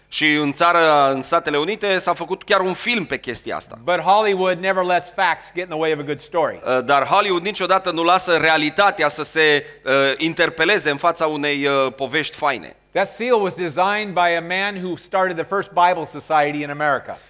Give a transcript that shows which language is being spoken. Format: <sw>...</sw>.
<ro>Și în țară, în Statele Unite, s-a făcut chiar un film pe chestia asta.</ro> <en>But Hollywood never lets facts get in the way of a good story.</en> <ro>Dar Hollywood niciodată nu lasă realitatea să se interpeleze în fața unei povești faine.</ro> <en>That seal was designed by a man who started the first Bible society in America.</en>